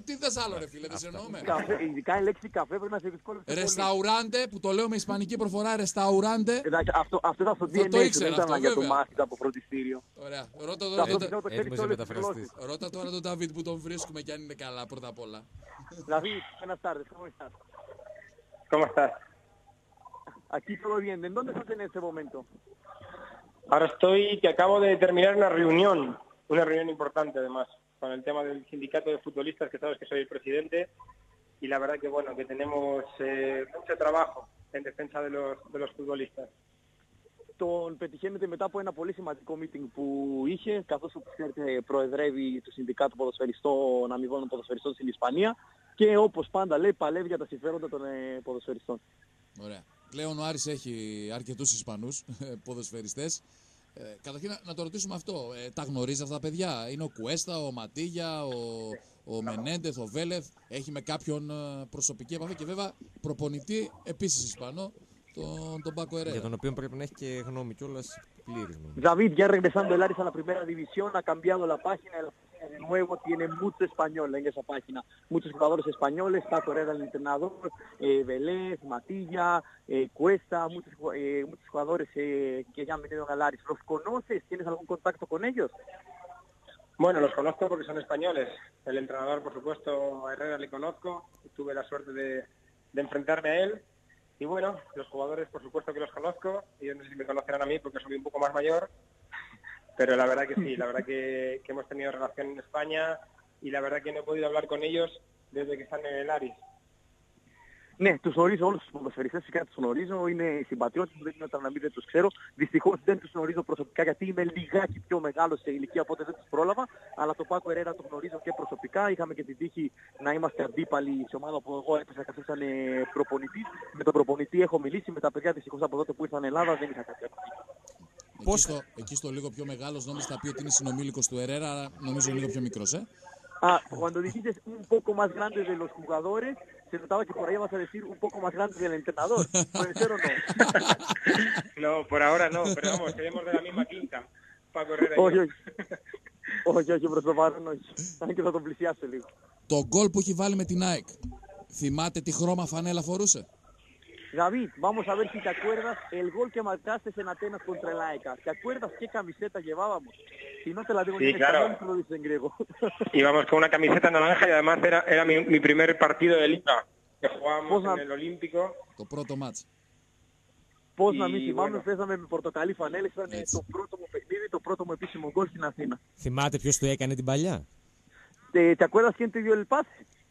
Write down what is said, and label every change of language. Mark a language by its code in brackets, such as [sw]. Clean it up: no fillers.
[el] Τι θες άλλο, ρε φίλε, τι εννοούμε? Ειδικά η λέξη καφέ πρέπει να σε δυσκολεύει. Ρεσταουράντε, που το λέω με ισπανική προφορά, ρεσταουράντε. Αυτό ήταν στο DNA. Το ήξερα αυτό, βέβαια. Για το μάθητα από φροντιστήριο. Ωραία. Ρώτα τώρα τον Νταβίδ. Ρώτα τώρα τον Νταβίδ που τον βρίσκουμε και αν είναι καλά πρώτα απ' όλα. [es] Νταβίδ, buenas tardes. ¿Cómo estás? ¿Cómo estás? Aquí todo bien. ¿En dónde estás en este momento? Ahora estoy, que acabo de terminar una reunión importante además, con el tema del sindicato de futbolistas, que sabes que soy el presidente, y la verdad que bueno, que tenemos mucho trabajo en defensa de los futbolistas. [el] Τον πετυχαίνετε μετά από ένα πολύ σημαντικό meeting που είχε, καθώς όπως ξέρετε προεδρεύει το Συνδικάτο Ποδοσφαιριστών, Αμοιβών Ποδοσφαιριστών στην Ισπανία και όπως πάντα λέει παλεύει για τα συμφέροντα των ποδοσφαιριστών. Ωραία. Πλέον ο Άρης έχει αρκετούς Ισπανούς ποδοσφαιριστές. Καταρχήν να το ρωτήσουμε αυτό. Τα γνωρίζει αυτά τα παιδιά? Είναι ο Κουέστα, ο Ματίγια, ο Μενέντεθ, ο Βέλεθ. Έχει με κάποιον προσωπική επαφή και βέβαια προπονητή επίσης Ισπανό, τον Πάκο Ερέα. Για τον οποίο πρέπει να έχει και γνώμη κιόλας πλήρης. [es] Νταβίδ, ya regresando el Άρης a la primera división, ha cambiado la página. De nuevo tiene mucho español en esa página. Muchos jugadores españoles, Paco Herrera el entrenador, Vélez, Matilla, Cuesta, muchos jugadores que ya han venido a Galaris. ¿Los conoces? ¿Tienes algún contacto con ellos? Bueno, los conozco porque son españoles. El entrenador, por supuesto, a Herrera le conozco. Tuve la suerte de enfrentarme a él. Y bueno, los jugadores, por supuesto, que los conozco. Yo no sé si me conocerán a mí porque soy un poco más mayor. Pero la verdad que sí, la verdad que hemos tenido relación en España y la verdad que no he podido hablar con ellos desde que están en el Aris. [el] Ναι, τους γνωρίζω όλους τους ποδοσφαιριστές, φυσικά τους γνωρίζω, είναι συμπατριώτες, δεν γίνονται να μην δεν τους ξέρω. Δυστυχώς δεν τους γνωρίζω προσωπικά γιατί είμαι λιγάκι πιο μεγάλος σε ηλικία, οπότε δεν τους πρόλαβα. Αλλά τον Πάκο Ερέρα τον γνωρίζω και προσωπικά. Είχαμε και την τύχη να είμαστε αντίπαλοι σε ομάδα που εγώ έπεσα καθώς ήταν προπονητής. Με τον προπονητή έχω μιλήσει, με τα παιδιά δυστυχώς από τότε που ήρθαν Ελλάδα δεν είχα κάποια. Εκεί στο λίγο πιο μεγάλος νόμιζα θα πει ότι είναι συνομήλικος του Ερέρα, αλλά νομίζω λίγο πιο μικρός, ε. [es] Α, cuando dijiste un poco más grande de los jugadores, se notaba que por ahí vas a decir un poco más grande del entrenador. ¿Puede ser o no? No, por ahora no, pero vamos, tenemos de la misma quinta, Paco [el] Ερέρα. Όχι, προς το παρόν, όχι. Θα τον πλησιάσω λίγο. Το γκολ που έχει βάλει με την ΑΕΚ, θυμάται τι χρώμα φανέλα φορούσε? [es] David, vamos a ver si te acuerdas el gol que marcaste en Atenas contra el AECA. ¿Te acuerdas qué camiseta llevábamos? Si no te la digo, sí, ni claro. Te lo dice en griego. Íbamos con una camiseta naranja y además era mi primer partido de liga. Que jugábamos en el Olímpico. [el] Το πρώτο match. Πώς να μην θυμάμαι, παίζαμε με πορτοκαλί φανέλες. Ήταν το πρώτο μου παιχνίδι, το πρώτο μου επίσημο γκολ στην Αθήνα. Θυμάται ποιος του έκανε την παλιά? [es] ¿Te acuerdas quién te dio el pase?